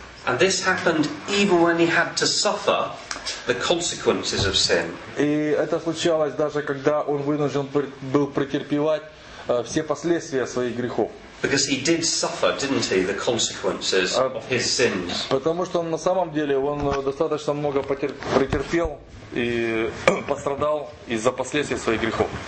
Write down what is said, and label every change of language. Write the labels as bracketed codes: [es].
[en] And this happened even when he had to suffer the consequences of sin. [ru] И это случалось даже когда он вынужден был претерпевать все последствия своих грехов. [en] Because he did suffer, didn't he, the consequences of his sins. [ru] Потому что на самом деле он достаточно много претерпел и пострадал из-за последствий своих грехов.